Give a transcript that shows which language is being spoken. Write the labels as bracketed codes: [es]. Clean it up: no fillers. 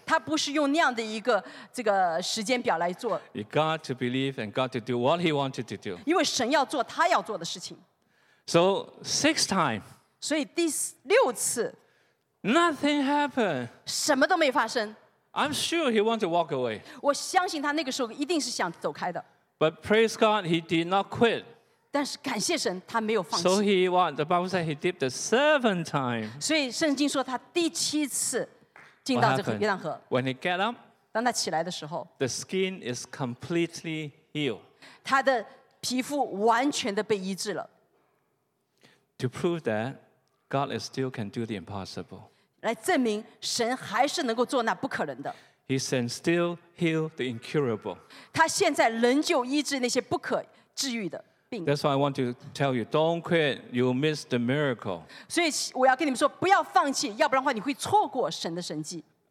[zh] 他不是用那样的一个这个时间表来做。 [en] You got to believe and got to do what he wanted to do. [zh] 因为神要做他要做的事情。 [en] So, sixth time. [zh] 所以第六次。 [en] Nothing happened. [zh] 什么都没发生。 [en] I'm sure he wanted to walk away. [zh] 我相信他那个时候一定是想走开的。 [en] But praise God, he did not quit. [zh] 但是感谢神，他没有放弃。 [en] So he walked. The Bible said he dipped the seventh time. [zh] 所以圣经说他第七次进到这个约旦河。 [en] When he got up, [zh] 当他起来的时候, [en] the skin is completely healed. [zh] 他的皮肤完全的被医治了。 [en] To prove that, God still can do the impossible. [zh] 来证明神还是能够做那不可能的。 [en] He can still heal the incurable. [zh] 他现在仍旧医治那些不可治愈的病。 [en] That's why I want to tell you, don't quit. You'll miss the miracle. [zh] 所以我要跟你们说，不要放弃，要不然的话你会错过神的神迹。